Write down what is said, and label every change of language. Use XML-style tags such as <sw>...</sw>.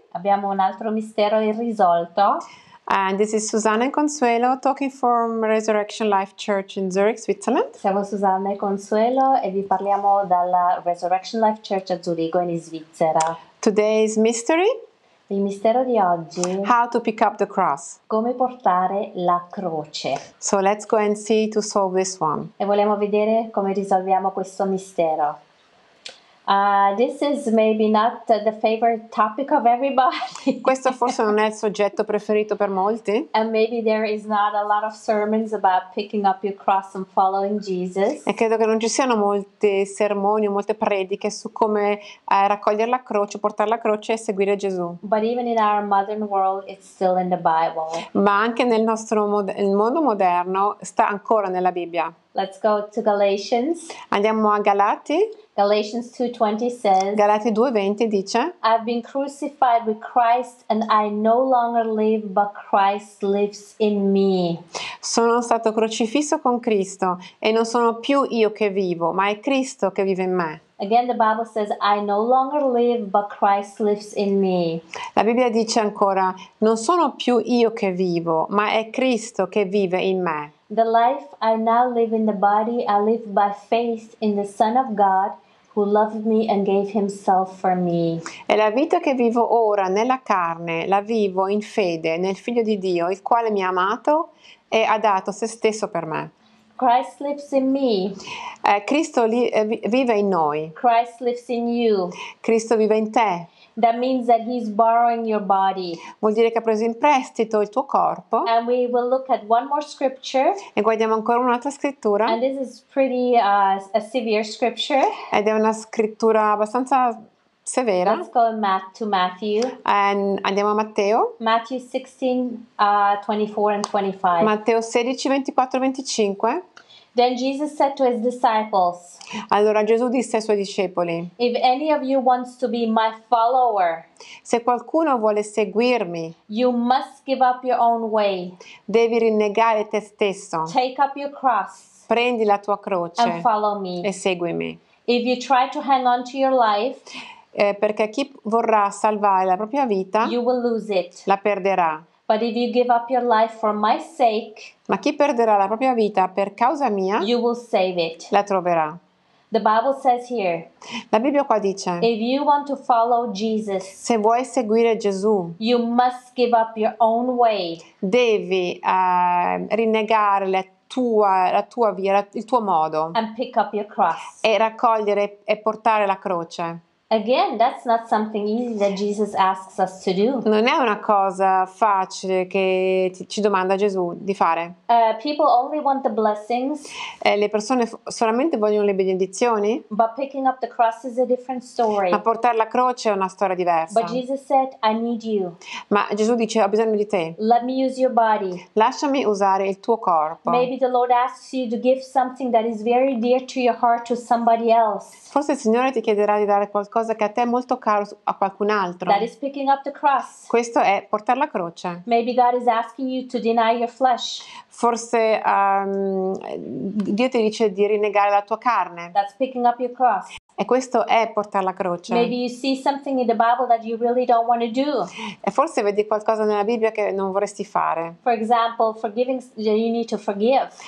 <it>Abbiamo un altro mistero irrisolto.</it> <en>And this is Susanna and Consuelo talking from Resurrection Life Church in Zurich, Switzerland.</en> <it>Siamo Susanna e Consuelo e vi parliamo dalla Resurrection Life Church a Zurigo in Svizzera.</it> <en>Today's mystery.</en> <it>Il mistero di oggi.</it> <en>How to pick up the cross.</en> <it>Come portare la croce.</it> <en>So let's go and see to solve this one.</en> <it>E vogliamo vedere come risolviamo questo mistero.</it> <en>This is maybe not the favorite topic of everybody.</en> <it>Questo forse non è il soggetto preferito per molti.</it> <en>And maybe there is not a lot of sermons about picking up your cross and following Jesus.</en> <it>E credo che non ci siano molti sermoni, molte prediche su come raccogliere la croce, portare la croce e seguire Gesù.</it> <en>But even in our modern world, it's still in the Bible.</en> <it>Ma anche nel nostro mondo moderno sta ancora nella Bibbia.</it> <en>Let's go to Galatians.</en> <it>Andiamo a Galati.</it> <en>Galatians 2:20 says.</en> <it>Galati 2:20 dice.</it> <en>I've been crucified with Christ, and I no longer live, but Christ lives in me.</en> <it>Sono stato crocifisso con Cristo, e non sono più io che vivo, ma è Cristo che vive in me.</it> <en>Again, the Bible says, I no longer live, but Christ lives in me.</en> <it>La Bibbia dice ancora, non sono più io che vivo, ma è Cristo che vive in me.</it> <en>The life I now live in the body, I live by faith in the Son of God, who loved me and gave himself for me.</en> <it>E la vita che vivo ora nella carne, la vivo in fede nel Figlio di Dio, il quale mi ha amato e ha dato se stesso per me.</it> <en>Christ lives in me.</en> <it>Cristo vive in noi.</it> <en>Christ lives in you.</en> <it>Cristo vive in te.</it> <en>That means that he's borrowing your body.</en> <it>Vuol dire che ha preso in prestito il tuo corpo.</it> <en>And we will look at one more scripture.</en> <it>E guardiamo ancora un'altra scrittura.</it> <en>And this is pretty a severe scripture.</en> <it>Ed è una scrittura abbastanza severa.</it> <en>Let's go to Matthew.</en> <it>And andiamo a Matteo.</it> <en>Matthew 16:24-25.</en> <it>Matteo 16:24-25.</it> <en>Then Jesus said to his disciples.</en> <it>Allora Gesù disse ai suoi discepoli.</it> <en>If any of you wants to be my follower.</en> <it>Se qualcuno vuole seguirmi.</it> <en>You must give up your own way.</en> <it>Devi rinnegare te stesso.</it> <en>Take up your cross.</en> <it>Prendi la tua croce.</it> <en>And follow me.</en> <it>E seguimi.</it> <en>If you try to hang on to your life.</en> <it>Perché chi vorrà salvare la propria vita.</it> <en>You will lose it.</en> <it>La perderà.</it> <en>But if you give up your life for my sake,</en> <it>ma chi perderà la propria vita per causa mia,</it> <en>you will save it.</en> <it>La troverà.</it> <en>The Bible says here.</en> <it>La Bibbia qua dice.</it> <en>If you want to follow Jesus,</en> <it>se vuoi seguire Gesù,</it> <en>you must give up your own way.</en> <it>Devi rinnegare la tua via, il tuo modo.</it> <en>And pick up your cross.</en> <it>E raccogliere e portare la croce.</it> <en>Again, that's not something easy that Jesus asks us to do.</en> <it>Non è una cosa facile che ci domanda Gesù di fare.</it> <en>People only want the blessings.</en> <it>Le persone solamente vogliono le benedizioni.</it> <en>But picking up the cross is a different story.</en> <it>Ma portare la croce è una storia diversa.</it> <en>But Jesus said, I need you.</en> <it>Ma Gesù dice, ho bisogno di te.</it> <en>Let me use your body.</en> <it>Lasciami usare il tuo corpo.</it> <en>Maybe the Lord asks you to give something that is very dear to your heart to somebody else.</en> <it>Forse il Signore ti chiederà di dare qualcosa che a te è molto caro a qualcun altro.</it> <en>That is picking up the cross.</en> <it>Questo è portare la croce.</it> <en>Maybe God is asking you to deny your flesh.</en> <it>Forse Dio ti dice di rinnegare la tua carne.</it> <en>That's picking up your cross.</en> <it>E questo è portare la croce.</it> <en>Maybe you see something in the Bible that you really don't want to do.</en> <it>E forse vedi qualcosa nella Bibbia che non vorresti fare.</it> <en>For example, forgiving, you need to forgive.</en>